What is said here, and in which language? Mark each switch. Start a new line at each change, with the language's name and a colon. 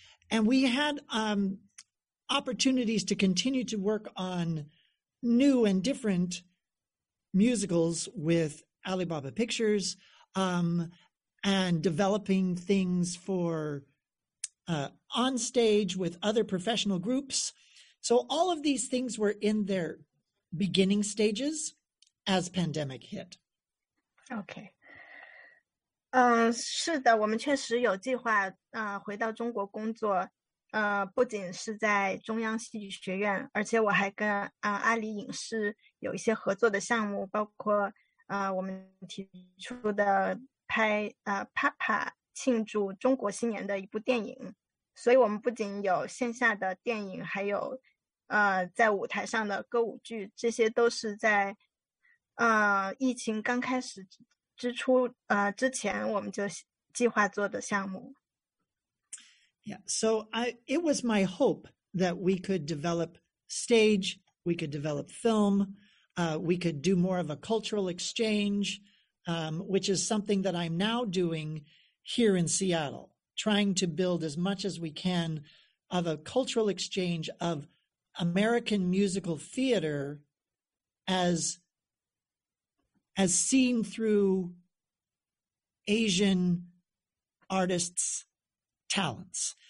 English: And we had opportunities to continue to work on new and different musicals with Alibaba Pictures and developing things for on stage with other professional groups. So all of these things were in their beginning stages as pandemic hit.
Chinese: OK， 是的，我们确实有计划回到中国工作，不仅是在中央戏剧学院，而且我还跟阿里影视有一些合作的项目，包括我们提出的拍Papa 庆祝中国新年的一部电影，所以我们不仅有线下的电影，还有在舞台上的歌舞剧，这些都是在。疫情刚开始之前我们就计划做的项目。
English: Yeah, so it was my hope that we could develop stage, we could develop film, we could do more of a cultural exchange, which is something that I'm now doing here in Seattle, trying to build as much as we can of a cultural exchange of American musical theater as seen through Asian artists' talents.